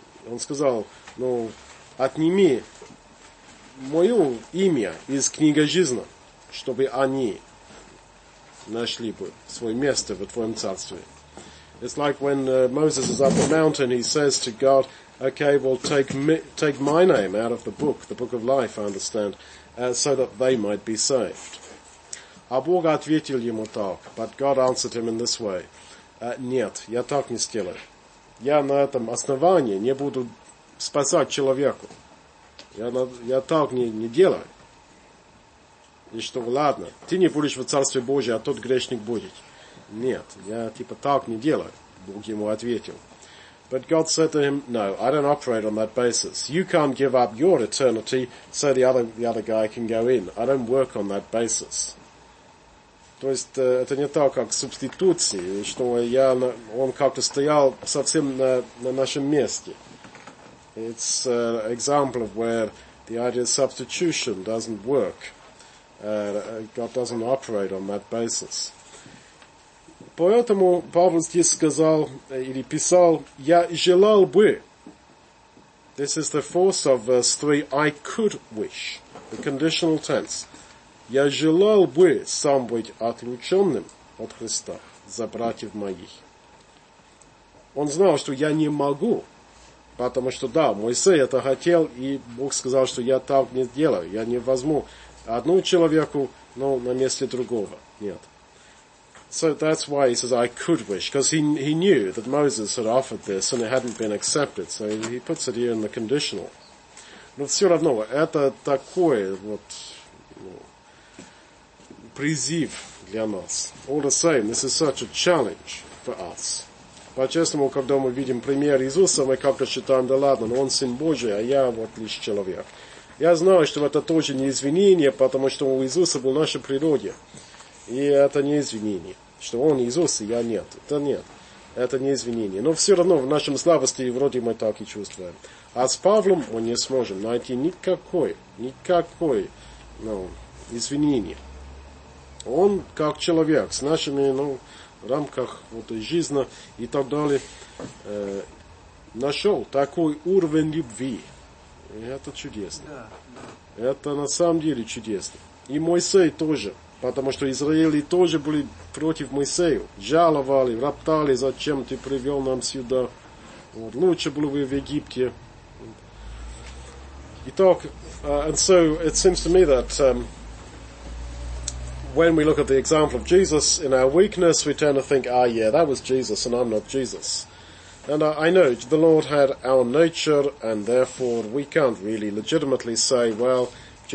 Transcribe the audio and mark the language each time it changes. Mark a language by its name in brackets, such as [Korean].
[Russian] Он сказал, ну, отними мое имя из книги жизни, чтобы они нашли бы свое место в твоем царстве. [English] It's like when Moses is up the mountain, he says to God, okay, well, take my name out of the book of life, I understand, so that they might be saved. [Russian] А Бог ответил ему так, [English] but God answered him in this way, [Russian] нет, я так не сделаю. Я на этом основании не буду спасать человеку. Я так не делаю. И что, ладно, ты не будешь в Царстве Божьем, а тот грешник будет. Нет, я типа так не делаю. Бог ему ответил. [English] But God said to him, no, I don't operate on that basis. You can't give up your eternity so the other guy can go in. I don't work on that basis. [Russian] То есть это не так, как субституции, что он как-то стоял совсем на нашем месте. [English] It's an example of where the idea of substitution doesn't work. God doesn't operate on that basis. [Russian] Поэтому Павел здесь сказал, или писал, я желал бы. [English] This is the force of verse 3, I could wish, the conditional tense. [Russian] Я желал бы сам быть отлученным от Христа за братьев моих. Он знал, что я не могу. Потому что, да, Моисей это хотел, и Бог сказал, что я так не сделаю. Я не возьму одну человеку, но на месте другого. Нет. [English] So that's why he says, I could wish. Because he knew that Moses had offered this, and it hadn't been accepted. So he puts it here in the conditional. [Russian] Но все равно, это такой вот призыв для нас. [English] All the same, this is such a challenge for us. [Russian] По-честному, когда мы видим пример Иисуса, мы как-то считаем, да ладно, но он Сын Божий, а я вот лишь человек. Я знаю, что это тоже не извинение, потому что у Иисуса было наше природе. И это не извинение, что он Иисус, и я нет. Это нет, это не извинение. Но все равно в нашем слабости вроде мы так и чувствуем. А с Павлом мы не сможем найти никакой извинения. Он как человек с нашими, в рамках вот и жизни и так далее, нашел такой уровень любви. И это чудесно. Это на самом деле чудесно. И Моисей тоже, потому что Израиль тоже были против Моисея. Жаловали, роптали, зачем ты привел нам сюда. Вот, лучше было бы в Египте. [English] Итак, and so it seems to me that when we look at the example of Jesus, in our weakness, we tend to think, ah, yeah, that was Jesus, and I'm not Jesus. And I know the Lord had our nature, and therefore we can't really legitimately say, well, J-